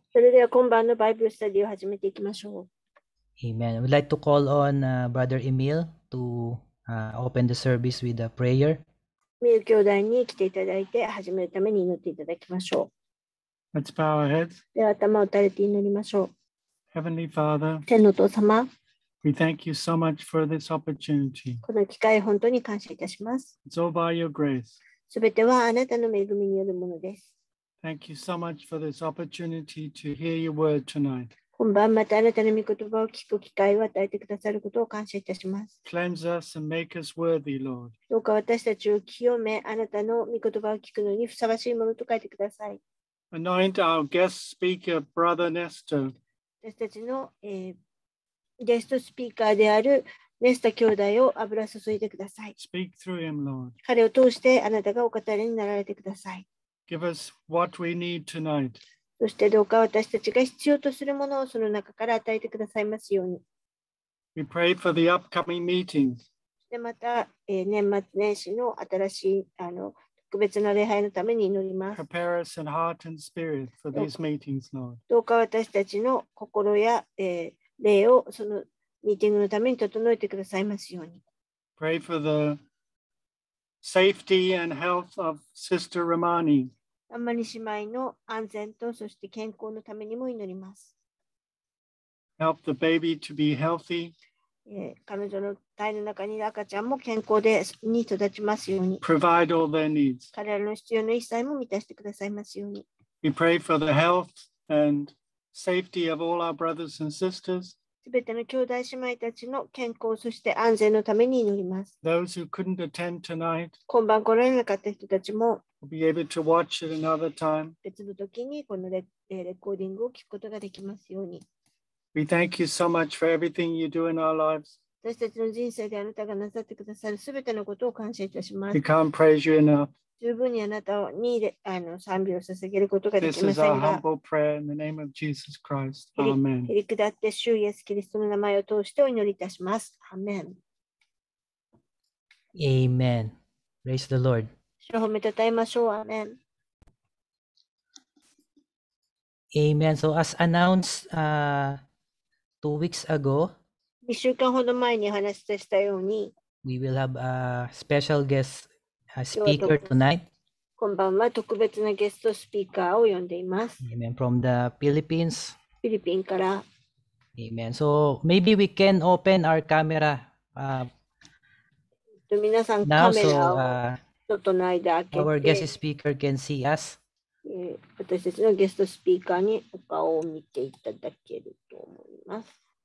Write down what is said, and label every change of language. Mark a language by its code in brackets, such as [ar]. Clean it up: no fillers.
[ja] それでは今晩のバイブルスタディを始めていきましょう。 [en] Amen. We'd like to call on Brother Emil to open the service with a prayer. [ja] ミル兄弟に来ていただいて始めるために祈っていただきましょう。 [en] Let's bow our heads. [ja] では頭を垂れて祈りましょう。 [en] Heavenly Father, [ja] 天のお父様、 [en] We thank you so much for this opportunity. [ja] この機会本当に感謝いたします。 [en] It's all by your grace. [ja] すべてはあなたの恵みによるものです。 [en] Thank you so much for this opportunity to hear your word tonight. [ja] 今晩またあなたの御言葉を聞く機会を与えてくださることを感謝いたします。 [en] Cleanse us and make us worthy, Lord. [ja] どうか私たちを清め、あなたの御言葉を聞くのにふさわしいものと書いてください。 [en] Anoint our guest speaker, Brother Nestor. [ja] 私たちの、ゲストスピーカーであるネスタ兄弟を油注いでください。 [en] Speak through him, Lord. [ja] 彼を通してあなたがお語りになられてください。 [en] Give us what we need tonight. [ja] そしてどうか私たちが必要とするものをその中から与えてくださいますように。 [en] We pray for the upcoming meetings. [ja] そしてまた、年末年始の新しい特別な礼拝のために祈ります。 [en] Prepare us in heart and spirit for these meetings, Lord. [ja] どうか私たちの心や、霊をそのミーティングのために整えてくださいますように。 [en] Pray for the safety and health of Sister Romani. [ja] アマニ姉妹の安全とそして健康のためにも祈ります。 [en] Help the baby to be healthy. [ja] 彼女の胎の中にいる赤ちゃんも健康でに育ちますように。 [en] Provide all their needs. [ja] 彼らの必要の一切も満たしてくださいますように。 [en] We pray for the health and safety of all our brothers and sisters. [ja] すべての兄弟姉妹たちの健康そして安全のために祈ります。 [en] Those who couldn't attend tonight, [ja] 今晩来られなかった人たちも、 [en] will be able to watch it another time. [ja] 別の時にこのレコーディングを聞くことができますように。 [en] We thank you so much for everything you do in our lives. [ja] 私たちの人生であなたがなさってくださるすべてのことを感謝いたします。 [en] We can't praise you enough. [ja] 十分にあなたに賛美を捧げることができませんが。 [en] This is our humble prayer in the name of Jesus Christ. Amen. [ja] へりくだって主イエスキリストの名前を通してお祈りいたします。 [en] Amen. Amen. Praise the Lord. [ja] 主を褒めたたえましょう。 [en] Amen. Amen. So as announced two weeks ago, [ja] 2週間ほど前にお話ししたように、 [en] We will have a special guest. A speaker tonight. [ja] 今晩は特別なゲストスピーカーを呼んでいます。 [en] Amen. From the Philippines. [ja] フィリピンから。 [en] Amen. So maybe we can open our camera. [ja] 皆さん、カメラをちょっとの間開けて。 [en] Our guest speaker can see us. [ja] 私たちのゲストスピーカーにお顔を見ていただけると思います。